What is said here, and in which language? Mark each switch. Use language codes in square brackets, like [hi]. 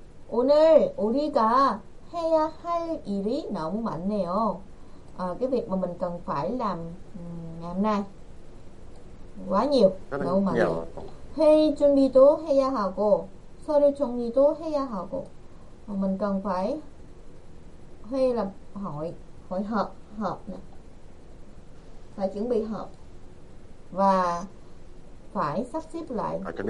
[ko] 오늘 우리가 해야 할 일이 너무 많네요. [vi] Cái việc mà mình cần phải làm ngày hôm nay quá nhiều, đâu mà nhiều. [ko] 회의 준비도 해야 하고 서류 정리도 해야 하고. [vi] Mình cần phải hay là hội họp nè. Phải chuẩn bị họp và phải sắp xếp lại